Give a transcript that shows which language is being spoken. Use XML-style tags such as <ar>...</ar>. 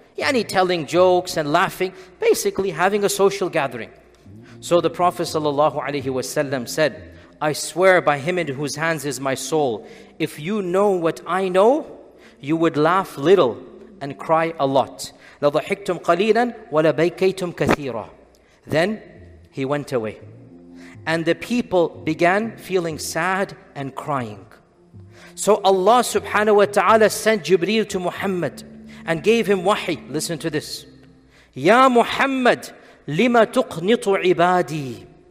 <en>يعني telling jokes and laughing, basically having a social gathering. So the Prophet ﷺ said, I swear by him in whose hands is my soul, if you know what I know, you would laugh little and cry a lot.</en> <ar>لضحكتم قليلا ولبيكيتم كثيرا.</ar> <en>Then he went away. And the people began feeling sad and crying. So Allah subhanahu wa ta'ala sent Jibreel to Muhammad and gave him wahi. Listen to this.</en> <ar>Ya Muhammad, lima tuqnitu ibadi.</ar>